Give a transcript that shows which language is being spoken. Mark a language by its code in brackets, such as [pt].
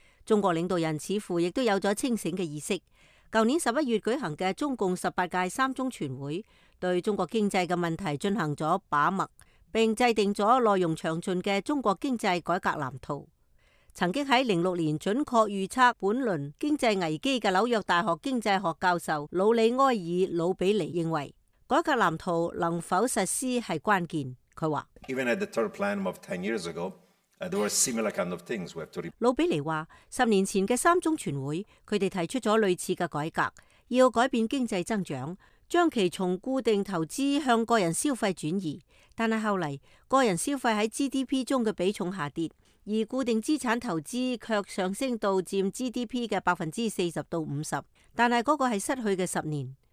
[zh] 中国领导人似乎也有了清醒的意识。去年11月举行的中共18届三中全会对中国经济的问题进行了把脉，并制定了内容详尽的中国经济改革蓝图。曾经在2006年准确预测本轮经济危机的纽约大学经济学教授鲁里埃尔·鲁比尼认为，改革蓝图能否实施是关键。他说 [en] Even at the third plan of 10 years ago, there were similar kind of things we have to report. [zh] 鲁比尼说，十年前的三中全会，他们提出了类似的改革，要改变经济增长，将其从固定投资向个人消费转移。但是后来，个人消费在 GDP 中的比重下跌，而固定资产投资却上升到占 GDP 的 40%-50%， 但是那个是失去的十年。